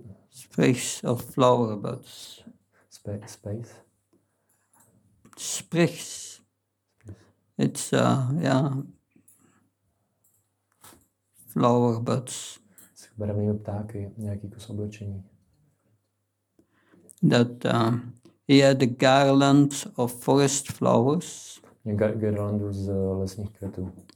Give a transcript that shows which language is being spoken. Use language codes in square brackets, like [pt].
[en] Sprigs of flower buds. Space. Sprigs. It's flower buds. [cs] S barevnými ptáky, nějaký kus oblečení. [en] That he had a garland of forest flowers. [cs] Garland z lesních květů.